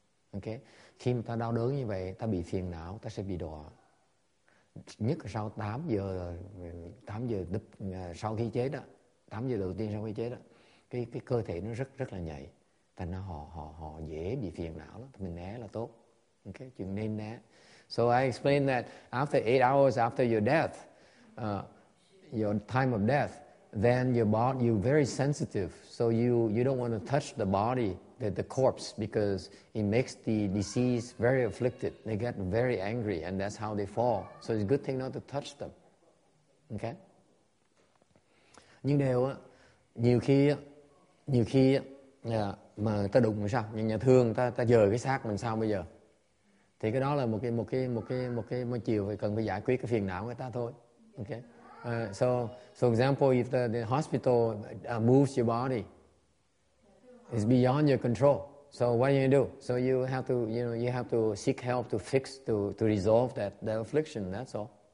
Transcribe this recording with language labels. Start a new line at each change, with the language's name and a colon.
Vietnamese: Ok, khi mà ta đau đớn như vậy, ta bị phiền não, ta sẽ bị đọa, nhất là sau 8 giờ đập, sau khi chết đó, 8 giờ đầu tiên sau khi chết đó, cái cơ thể nó rất rất là nhạy. Tại nó họ dễ bị phiền não lắm, mình né là tốt. Okay, chuyện nên né.
English: So I explained that after 8 hours after your death, your time of death, then your body, you very sensitive. So you don't want to touch the body, the corpse, because it makes the deceased very afflicted. They get very angry, and that's how they fall. So it's a good thing not to touch them. Okay.
Vietnamese: Nhưng đều á, nhiều khi mà ta đụng làm sao, nhà thương ta dời cái xác mình sao bây giờ, thì cái đó là một chiều phải cần phải giải quyết cái phiền não của người ta thôi.
English: Ok, so example, if the hospital moves your body, it's beyond your control, so what do you do? So you have to, you know, you have to seek help to fix, to resolve that affliction, that's all.